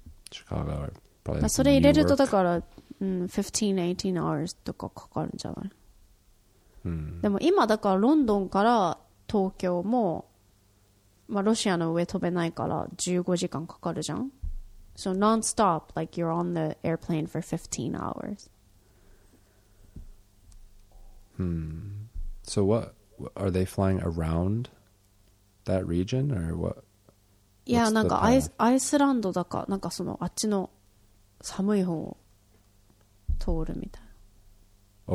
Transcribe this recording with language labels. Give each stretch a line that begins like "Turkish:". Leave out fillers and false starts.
English: シカゴ、probably like
Japanese: それ入れるとだから、15、18 hours とかかかるんじゃない、でも今だからロンドンから東京も、まあロシアの上飛べないから15時間かかるじゃん。
English: So non-stop, like you're on the airplane for 15 hours. So what, are they flying around that region or what?
Japanese: Yeah, なんかアイスランドだか、なんかそのあっちの寒い方を通るみたいな。